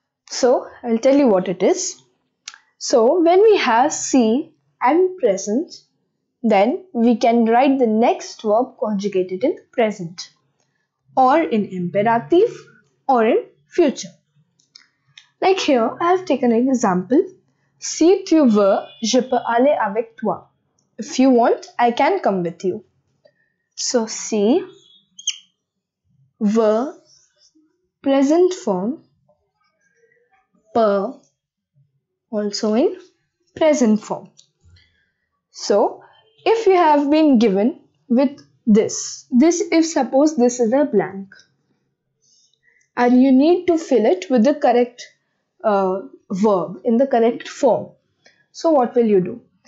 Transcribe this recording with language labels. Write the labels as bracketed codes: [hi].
[en] So I'll tell you what it is. So when we have si and present, then we can write the next verb conjugated in present or in imperatif or in future. Like here I have taken an example. [fr] Si tu veux, je peux aller avec toi. [en] If you want, I can come with you. So, si, veux, present form, peux, also in present form. So, if you have been given with this, if suppose this is a blank, and you need to fill it with the correct verb in the correct form. So what will you do?